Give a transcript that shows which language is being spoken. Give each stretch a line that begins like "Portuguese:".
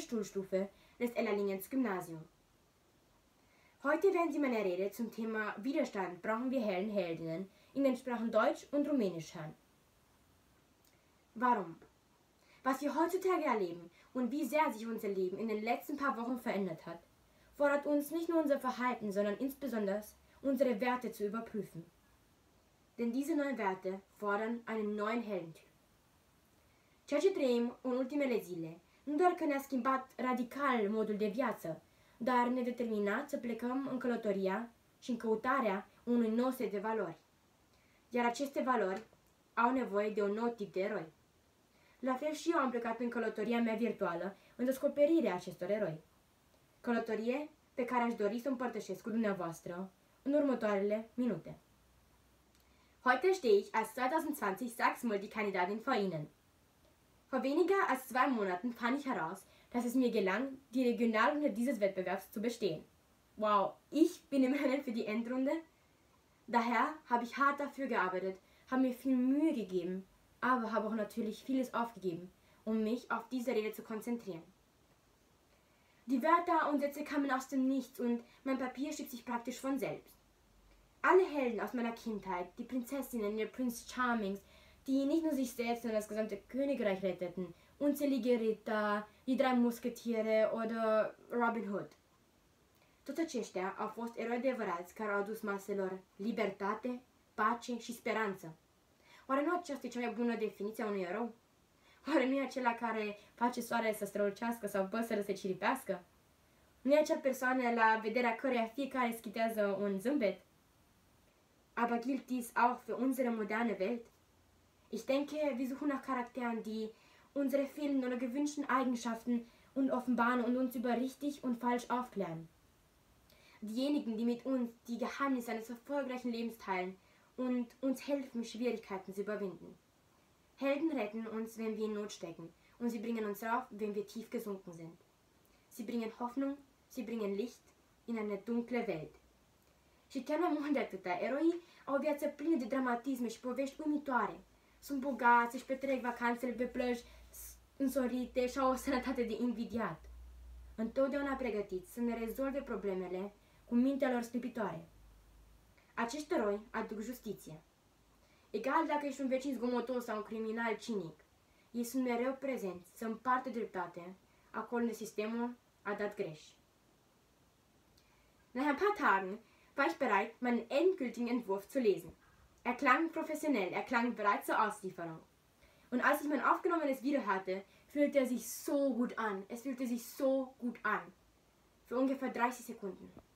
German: Schulstufe des Ellerlingens Gymnasium. Heute werden Sie meine Rede zum Thema Widerstand brauchen wir Helden, Heldinnen in den Sprachen Deutsch und Rumänisch hören. Warum? Was wir heutzutage erleben und wie sehr sich unser Leben in den letzten paar Wochen verändert hat, fordert uns nicht nur unser Verhalten, sondern insbesondere unsere Werte zu überprüfen. Denn diese neuen Werte fordern einen neuen Heldentyp.
Romanian: Ce ce trăim în ultimele zile, nu doar că ne-a schimbat radical modul de viață, dar ne determină să plecăm în călătoria și în căutarea unui nou set de valori. Iar aceste valori au nevoie de un nou tip de eroi. La fel și eu am plecat în călătoria mea virtuală în descoperirea acestor eroi. Călătorie pe care aș dori să o împărtășesc cu dumneavoastră în următoarele minute.
German: Heute stehe ich als 2020 Sachs-Multikandidatin vor Ihnen. Vor weniger als zwei Monaten fand ich heraus, dass es mir gelang, die Regionalrunde dieses Wettbewerbs zu bestehen. Wow, ich bin im Rennen für die Endrunde? Daher habe ich hart dafür gearbeitet, habe mir viel Mühe gegeben, aber habe auch natürlich vieles aufgegeben, um mich auf diese Rede zu konzentrieren. Die Wörter und Sätze kamen aus dem Nichts und mein Papier schrieb sich praktisch von selbst. Alle Helden aus meiner Kindheit, die Prinzessinnen, die Prince Charmings, die nicht nur sich selbst, sondern das gesamte Königreich retteten, unzählige Ritter, die drei Musketiere oder Robin Hood.
Romanian: Toți aceștia au fost eroi adevărați care au adus maselor libertate, pace și speranță. Oare nu aceasta e cea mai bună definiție a unui erou? Oare nu e acela care face soarele să strălucească sau păsările să ciripească? Nu e acea persoană la vederea căreia fiecare schitează un zâmbet?
German: Aber gilt dies auch für unsere moderne Welt? Ich denke, wir suchen nach Charakteren, die unsere fehlenden oder gewünschten Eigenschaften und offenbaren und uns über richtig und falsch aufklären. Diejenigen, die mit uns die Geheimnisse eines erfolgreichen Lebens teilen und uns helfen, Schwierigkeiten zu überwinden. Helden retten uns, wenn wir in Not stecken, und sie bringen uns rauf, wenn wir tief gesunken sind. Sie bringen Hoffnung, sie bringen Licht in eine dunkle Welt.
Romanian: Și chiar mai mult de atâta, eroii au o viață plină de dramatisme și povești uimitoare. Sunt bogați, își petrec vacanțele pe plăji însorite și au o sănătate de invidiat. Întotdeauna pregătiți să ne rezolve problemele cu mintea lor sclipitoare. Acești eroi aduc justiție. Egal dacă ești un vecin zgomotos sau un criminal cinic, ei sunt mereu prezenți să împartă dreptate acolo unde sistemul a dat greș.
German: Nach ein paar Tagen war ich bereit, meinen endgültigen Entwurf zu lesen. Er klang professionell, er klang bereit zur Auslieferung. Und als ich mein aufgenommenes Video hatte, fühlte er sich so gut an. Es fühlte sich so gut an. Für ungefähr 30 Sekunden.